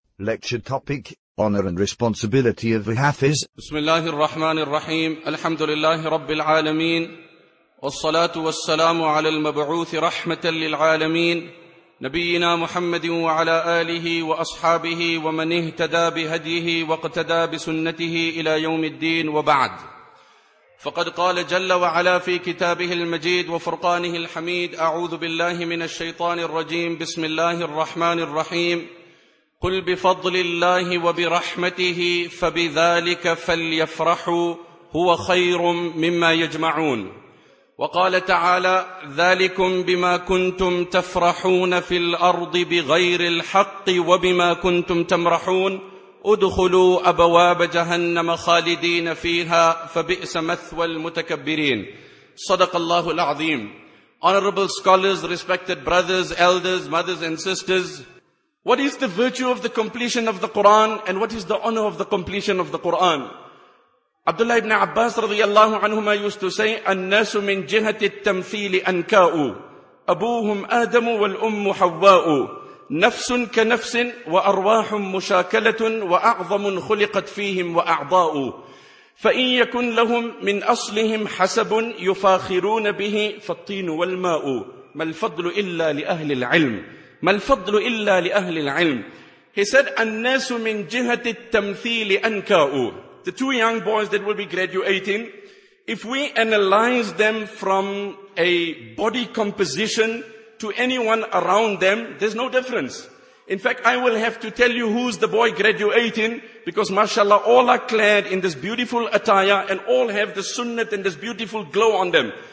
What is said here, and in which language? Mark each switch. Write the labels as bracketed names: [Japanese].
[English] Lecture topic, honor and responsibility of the Hafiz. [Arabic] بسم الله الرحمن الرحيم الحمد لله رب العالمين والصلاة والسلام على المبعوث رحمة للعالمين نبينا محمد وعلى آله وأصحابه ومن اهتدى بهديه واقتدى بسنته إلى يوم الدين وبعد. فقد قال جل وعلا في كتابه المجيد وفرقانه الحميد: أعوذ بالله من الشيطان الرجيم، بسم الله الرحمن الرحيم، قل بفضل الله وبرحمته فبذلك فليفرحوا هو خير مما يجمعون. وقال تعالى: ذلكم بما كنتم تفرحون في الأرض بغير الحق وبما كنتم تمرحون، ادخلوا أبواب جهنم خالدين فيها فبئس مثوى المتكبرين. صدق الله العظيم. [English] Honorable scholars, respected brothers, elders, mothers and sisters, what is the virtue of the completion of the Quran and what is the honor of the completion of the Quran? Abdullah ibn Abbas radiyallahu anhuma used to say, [Arabic] النَّاسُ مِنْ جِهَةِ التَّمْثِيلِ أَنْكَاءُ أَبُوهُمْ آدَمُ وَالْأُمُّ حَوَّاءُ نَفْسٌ كَنَفْسٍ وَأَرْوَاحٌ مُشَاكَلَةٌ وَأَعْظَمٌ خُلِقَتْ فِيهِمْ وَأَعْضَاءُ فَإِنْ يَكُنْ لَهُمْ مِنْ أَصْلِهِمْ حَسَبٌ يُفَاخِرُونَ بِهِ فَالطِّينُ وَالْمَاءُ مَا الْفَضْلُ إِلَّا لِأَهْلِ الْعِلْمِ مَا الْفَضْلُ إِلَّا لِأَهْلِ الْعِلْمِ. [English] He said, [Arabic] النَّاسُ مِنْ جِهَةِ التَّمْثِيلِ أَنْكَاءُ. [English] The two young boys that will be graduating, if we analyze them from a body composition to anyone around them, there's no difference. In fact, I will have to tell you who's the boy graduating, because mashallah, all are clad in this beautiful attire and all have the sunnat and this beautiful glow on them.